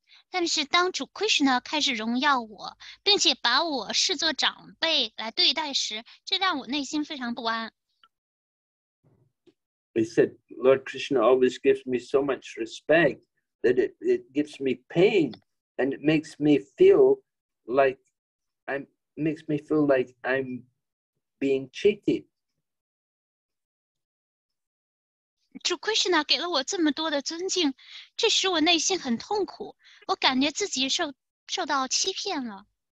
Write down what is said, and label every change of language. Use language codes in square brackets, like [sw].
[zh] 但是当主 Krishna 开始荣耀我，并且把我视作长辈来对待时，这让我内心非常不安。 [en] He said, Lord Krishna always gives me so much respect that it gives me pain and it makes me feel like I'm being cheated. [zh] 主 Krishna 给了我这么多的尊敬，这使我内心很痛苦，我感觉自己受到欺骗了。